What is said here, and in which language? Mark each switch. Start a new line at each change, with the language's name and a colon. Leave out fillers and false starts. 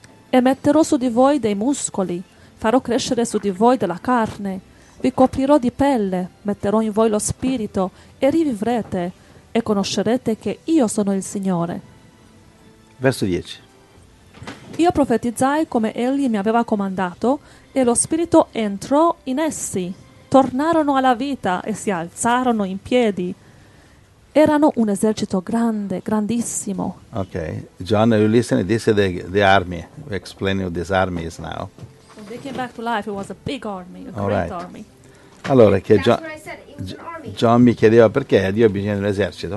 Italian: E metterò su di voi dei muscoli, farò crescere su di voi della carne, vi coprirò di pelle, metterò in voi lo spirito e rivivrete, e conoscerete che io sono il Signore. Verso 10. Io profetizzai come egli mi aveva comandato, e lo spirito entrò in essi. Tornarono alla vita e si alzarono in piedi. Erano un esercito grande, grandissimo.
English: Ok, John, you listen, this is the army. We explain you these armies now. When they came back to life, it was a big army, a great right. army.
Italian: Allora, che John mi chiedeva perché Dio ha bisogno di un esercito.